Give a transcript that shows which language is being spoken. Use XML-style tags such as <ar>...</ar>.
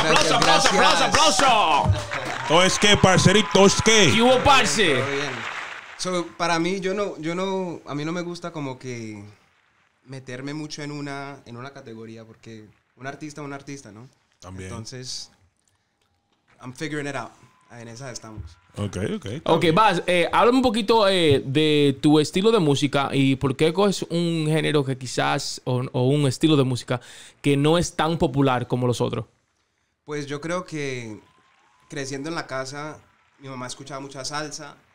<es>¡Aplauso! ¿Es que, parcerito? ¿Es que? ¿Qué hubo, parce? So, para mí, yo no... A mí no me gusta como que meterme mucho en una categoría, porque un artista, ¿no? También.</es> <en>Entonces, I'm figuring it out.</en> <es>En esa estamos. Ok. Bass, háblame un poquito de tu estilo de música y por qué es un género que quizás, o un estilo de música que no es tan popular como los otros. Pues yo creo que creciendo en la casa, mi mamá escuchaba mucha salsa.</es>